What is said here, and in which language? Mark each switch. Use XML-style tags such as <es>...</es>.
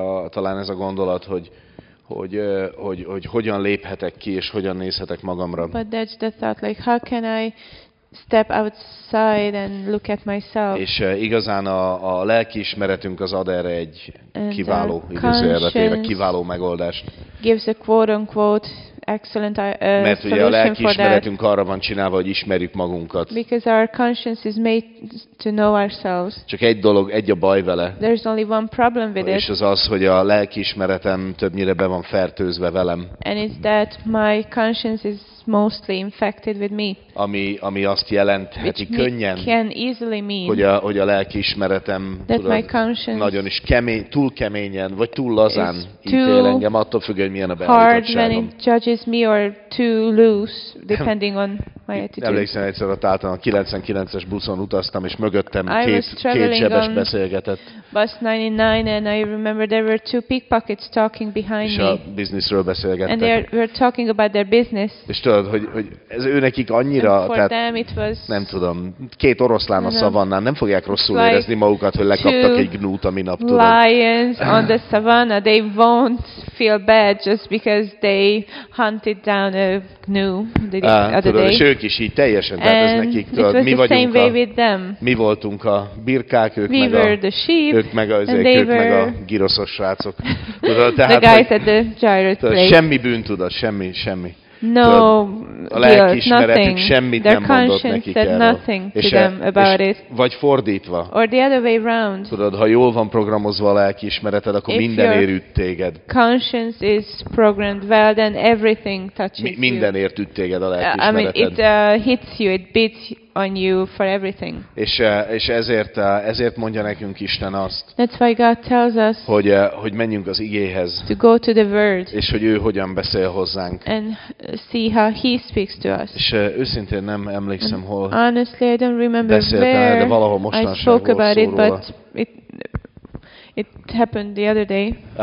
<hu>Talán ez a gondolat, hogy hogyan léphetek ki, és hogyan nézhetek magamra.</hu> <en>But that's the thought, like how can I step outside and look at myself.</en> <hu>És igazán a lelkiismeretünk az ad erre egy kiváló, idézőjelben kiváló megoldást.</hu> <en>Gives a quote-unquote excellent</en> <hu>mert ugye a lelkiismeretünk arra van csinálva, hogy ismerjük magunkat.</hu> <en>Because our conscience is made to know ourselves.</en> <hu>Csak egy dolog, egy a baj vele.</hu> <en>There's only one problem with</en> <hu>és az az, hogy a lelkiismeretem többnyire be van fertőzve velem.</hu> <en>And it's that my conscience is mostly infected with me.</en> <hu>Ami azt jelentheti könnyen,</hu> <en>can easily mean</en> <hu>hogy a lelkiismeretem nagyon is kemény, túl keményen, vagy túl lazán ítél engem, attól függ, hogy milyen a beállítottságom.</hu> <en>Judges me or too loose depending on my attitude.</en> <hu>Emlékszem egyszer a tátán a 99-es buszon utaztam és mögöttem két sebes beszélgetett.</hu> <en>Bus 99 and I remember there were two pickpockets talking behind me.</en> <hu>És a bizniszről beszélgettek.</hu> <en>And they were talking about their business.</en> <hu>És tudod, hogy ez őnekik annyira, tehát nem tudom, két oroszlán a szavannán, nem fogják rosszul</hu> <en>like</en> <hu>érezni magukat, hogy lekaptak egy gnút a minap, tudod.</hu> <en>Lions on the savanna, they won't feel bad just because they hunted down a gnu the other</en> <hu>tudod,</hu> <en>day.</en> <hu>És ők is így teljesen, tehát ez nekik, tudod, mi vagyunk mi voltunk a birkák, ők meg a gyroszos srácok. Tudod, tehát,</hu> <en>the guys at the gyro place.</en> <hu>Semmi bűn, tudod, semmi.</hu> <en>No,</en> <hu>a lelkiismeretük semmit</hu> <en>their</en> <hu>nem mondott nekik</hu> <en>said</en> <hu>erről.</hu> <en>Nothing to them about it.</en> <hu>Vagy fordítva.</hu> <en>Or the other way round.</en> <hu>Tudod, ha jól van programozva a lelkiismereted, akkor</hu> <en>if</en> <hu>minden ér üt téged.</hu> <en>Conscience is programmed well, then everything touches you.</en> <hu>Minden ér üt téged a lelkiismereted.</hu> <en>I mean, it hits you, it beats on you for everything.</en> <hu>És ezért mondja nekünk Isten azt.</hu> <en>That's why God tells us.</en> <hu>Hogy menjünk az igéhez.</hu> <en>To go to the word.</en> <hu>És hogy ő hogyan beszél hozzánk.</hu> <en>And see how he speaks to us.</en> <hu>És őszintén nem emlékszem hol.</hu> <en>Honestly, I don't remember</en> <hu>beszéltem,</hu> <en>where.</en> <hu>De</hu> <en>I spoke about it, but it happened the other day.</en>